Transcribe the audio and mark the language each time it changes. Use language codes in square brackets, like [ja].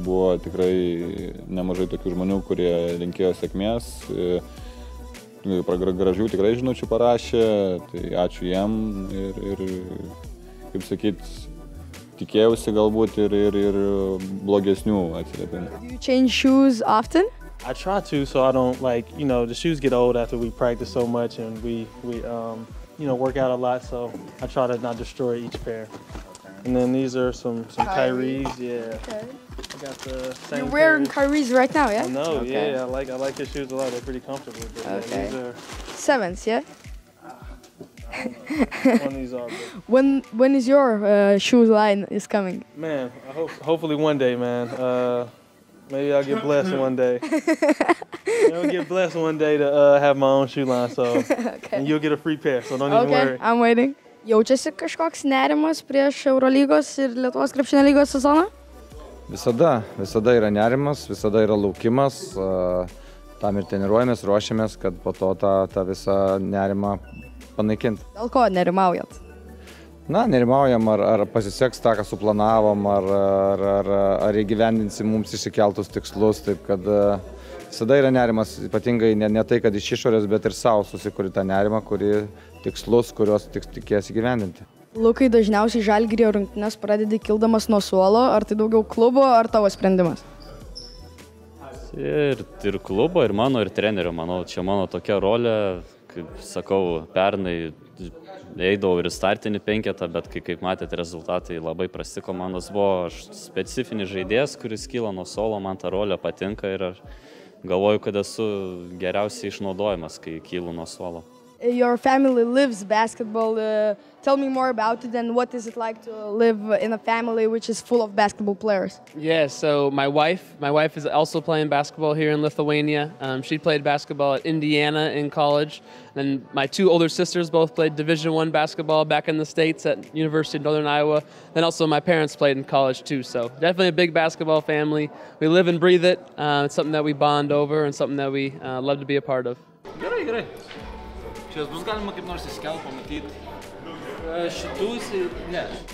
[lt] Buvo tikrai nemažai tokių žmonių, kurie linkėjo sėkmės. Gražių tikrai žinučių parašė, tai ačiū jiem. Ir kaip sakyti, tikėjausi galbūt ir blogesnių atsiliepimų. [en] Do you change shoes often? I try to, so I don't like, you know, the shoes get old after we practice so much and we work out a lot, so I try to not destroy each pair. Okay. And then these are some Kyries, yeah. Okay. I got the same You're wearing Kyries right now, yeah? No, okay. Yeah, I like your shoes a lot, they're pretty comfortable. But okay. Yeah, these are... Sevens, yeah? When is your shoes line is coming? Man, hopefully one day, man. Maybe I'll get blessed one day. I'll get blessed one day to have my own shoe line, so okay. And you'll get a free pair, so don't okay, even worry. Okay, I'm waiting. [lt] Jaučiasi kažkoks nerimas prieš Eurolygos ir Lietuvos krepšinio lygos sezoną? Visada yra nerimas, visada yra laukimas. Tam ir treniruojamės, ruošiamės, kad po to tą visą nerimą panaikinti. Dėl ko nerimaujat? Na, nerimaujam, ar pasiseks tą, ką suplanavom, ar įgyvendinsim mums išsikeltus tikslus, taip kad visada yra nerimas, ypatingai ne tai, kad iš išorės, bet ir savo susikuri tą nerimą, kuri tikslus, kuriuos tikės įgyvendinti. Lukai, dažniausiai Žalgirio rungtynes pradedi kildamas nuo suolo, ar tai daugiau klubo, ar tavo sprendimas? Ir klubo, ir mano, ir trenerio, manau, čia mano tokia rolė, kaip sakau, pernai, eidau ir startinį penketą, bet kaip matėte, rezultatai labai prasti komandos buvo. Aš specifinis žaidėjas, kuris kyla nuo solo, man ta rolė patinka ir galvoju, kad esu geriausiai išnaudojamas, kai kylu nuo solo. [en] Your family lives basketball. Tell me more about it and what is it like to live in a family which is full of basketball players? Yeah, so my wife is also playing basketball here in Lithuania. She played basketball at Indiana in college. And my two older sisters both played Division I basketball back in the States at University of Northern Iowa. And also my parents played in college too. So definitely a big basketball family. We live and breathe it. It's something that we bond over and something that we love to be a part of. [lt] Gerai. Šios bus galima kaip nors įskelt pamatyti šitus ir ne.